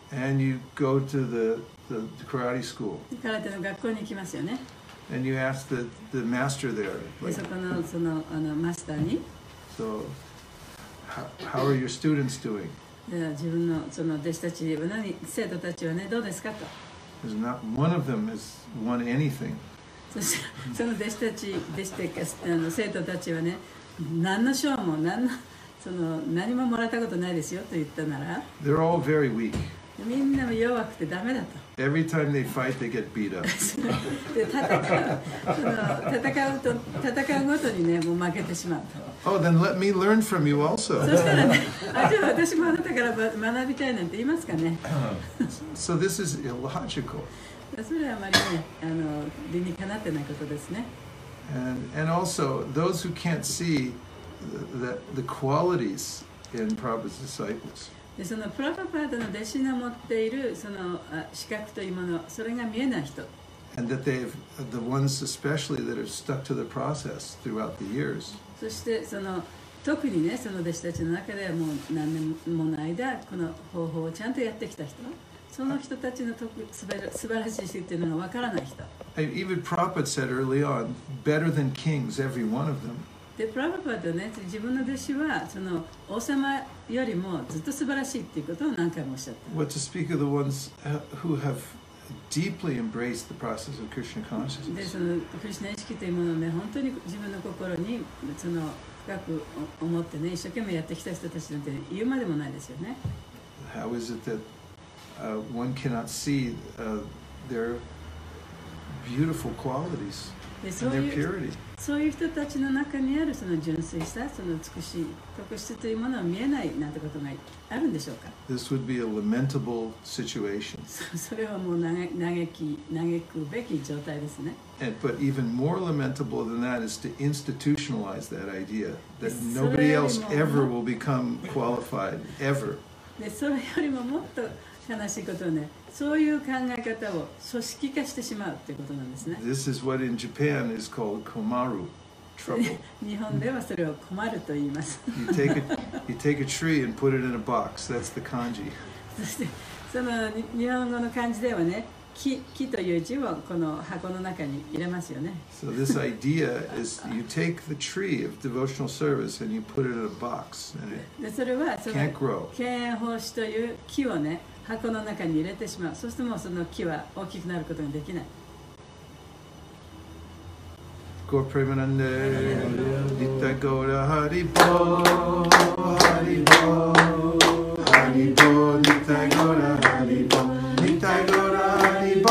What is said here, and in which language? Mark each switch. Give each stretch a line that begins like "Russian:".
English: And you go to the karate school.
Japanese: 空手の学校に行きますよね。
English: And you ask the master there.
Japanese: でそこのそのマスターに、
English: So how are your students doing?
Japanese: 自分のその弟子たち、生徒たちはね、どうですかと。
English: Is not one of them has won anything.
Japanese: その弟子たち、弟子たち、生徒たちはね、何の賞も何ももらったことないですよと言ったなら、
English: They're all very weak.
Japanese: みんな弱くてダメだと。
English: Every time they fight, they get beat up.
Japanese: で戦うごとにね、もう負けてしまうと。
English: Oh, then let me learn from you also.
Japanese: そしたらね、じゃあ私もあなたから学びたいなんて言いますかね。
English: So this is illogical.
Japanese: それはあまりね、理にかなってないことですね。
English: And also, those who can't see the qualities in Prabhupada's disciples.
Japanese: で、そのプラヴァパーダの弟子の持っているその資格というもの、それが見えない人。
English: And that they've, the ones especially that have stuck to the process throughout the years.
Japanese: そしてその特にね、その弟子たちの中ではもう何年もの間この方法をちゃんとやってきた人、その人たちの素晴らしい人っていうのがわからない人。
English: Even Prabhupada said early on, better than kings, every one of them.
Japanese: で、プラヴァパーダね、自分の弟子はその王様よりもずっと素晴らしいっていうことを何回もおっしゃった。
English: What to speak of the ones who have deeply embraced the process of Krishna consciousness.
Japanese: で、そのクリシュナ意識というものをね、本当に自分の心にその深く思ってね、一生懸命やってきた人たちなんて言うまでもないですよね。
English: How is it that one cannot see their beautiful qualities and their purity?
Japanese: そういう人たちの中にあるその純粋さ、その美しい特質というものは見えないなんてことがあるんでしょうか。
English: This would be a lamentable situation.
Japanese: それはもう嘆くべき状態ですね。
English: And, but even more lamentable than that is to institutionalize that idea that nobody else ever will become qualified, ever.
Japanese: でそれよりももっと悲しいことね、そういう考え方を組織化してしまうということなんですね。
English: This is what in Japan is called komaru trouble.
Japanese: 日本ではそれを困ると言います。
English: you take a tree and put it in a box. That's the kanji.
Japanese: その日本語の漢字ではね、木という字をこの箱の中に入れますよね。
English: So this idea is you take the tree of devotional service and you put it in a box and it can't grow.
Japanese: 剣奉仕という木をね、箱の中に入れてしまう。そしてもうその木は大きくなることができない。ゴープレマナンデリタゴラハリボハリボハリボリタゴラハリボリタゴラハリボ